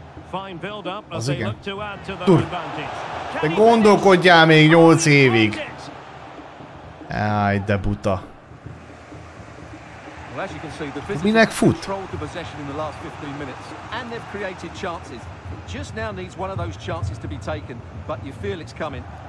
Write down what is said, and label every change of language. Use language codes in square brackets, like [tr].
[en] Fine build up as they look to add to their advantage. [hu] De gondolkodjál még 8 évig. Áj, de buta. [en] Well, as you can see, the physicians controlled the possession in the last 15 minutes, and they've created chances. Just now needs one of those chances to be taken, but you feel it's coming.